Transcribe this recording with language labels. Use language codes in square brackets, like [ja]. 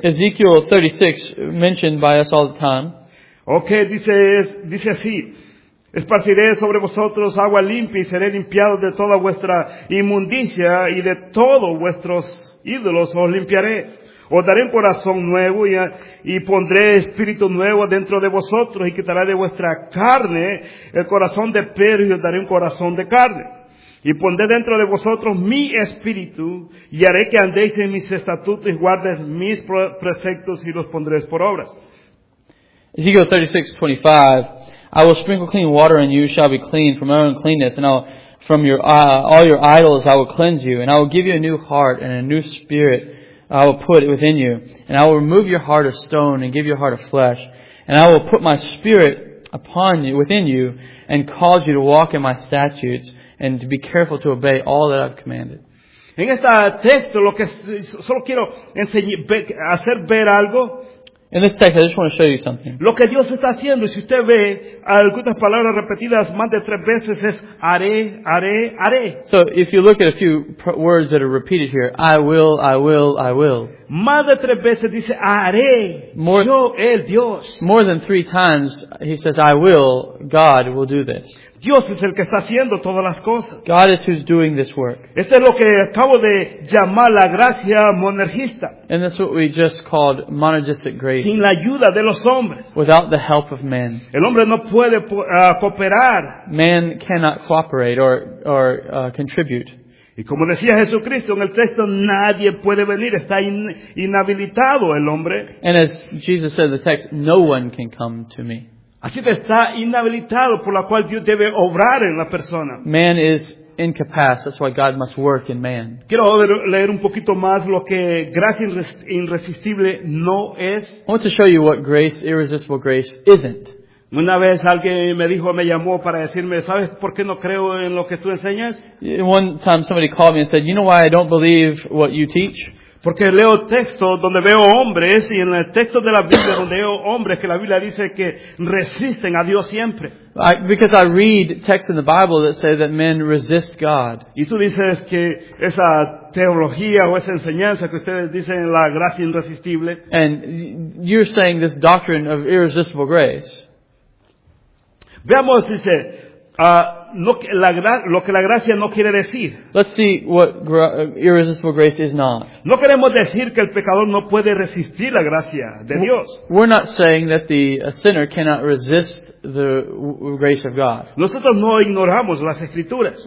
[en] Ezekiel 36, mentioned by us all the time. [es] Okay, dice así. Esparciré sobre vosotros agua limpia y seré limpiado de toda vuestra inmundicia y de todos vuestros ídolos os limpiaré. Os daré un corazón nuevo y pondré espíritu nuevo dentro de vosotros y quitaré de vuestra carne el corazón de perro y os daré un corazón de carne. Y pondré dentro de vosotros mi espíritu y haré que andéis en mis estatutos y guardes mis preceptos y los pondréis por obras. [en] Ezekiel 36:25, I will sprinkle clean water and you shall be clean from your uncleanness and I'll, from your all your idols I will cleanse you and I will give you a new heart and a new spirit I will put within you and I will remove your heart of stone and give your heart of flesh and I will put my spirit upon you within you and cause you to walk in my statutes. And to be careful to obey all that I've commanded. [es] En este texto, lo que solo quiero hacer ver algo. [en] In this text, I just want to show you something. [es] Lo que Dios está haciendo, si usted ve algunas palabras repetidas más de tres veces, es haré, haré, haré. [en] So if you look at a few words that are repeated here, I will, I will, I will. [es] Más de tres veces dice haré. Yo el Dios. [en] More than three times, he says, I will. God will do this. [es] Dios es el que está haciendo todas las cosas. [en] God is who's doing this work. [es] Este es lo que acabo de llamar la gracia monergista. [en] And that's what we just called monergistic grace. [es] Sin la ayuda de los hombres. [en] Without the help of men. [es] El hombre no puede cooperar. [en] Man cannot cooperate or contribute. [es] Y como decía Jesucristo en el texto, nadie puede venir, está inhabilitado el hombre. [en] And as Jesus said in the text, no one can come to me. [es] Así que está inhabilitado, por la cual Dios debe obrar en la persona. [en] Man is incapaz, that's why God must work in man. [es] Quiero leer un poquito más lo que gracia irresistible no es. [en] I want to show you what grace, irresistible grace, isn't. [es] Una vez alguien me dijo, me llamó para decirme, ¿sabes por qué no creo en lo que tú enseñas? [en] One time somebody called me and said, you know why I don't believe what you teach? [es] Porque leo textos donde veo hombres y en el texto de la Biblia donde veo hombres que la Biblia dice que resisten a Dios siempre. [en] Because I read texts in the Bible that say that men resist God. [es] Y tú dices que esa teología o esa enseñanza que ustedes dicen la gracia irresistible. [en] And you're saying this doctrine of irresistible grace. [es] Veamos, dice, lo que la gracia no quiere decir. [en] Let's see what irresistible grace is not. [es] No queremos decir que el pecador no puede resistir la gracia de Dios. [en] We're not saying that the sinner cannot resist the grace of God. [es] Nosotros no ignoramos las escrituras.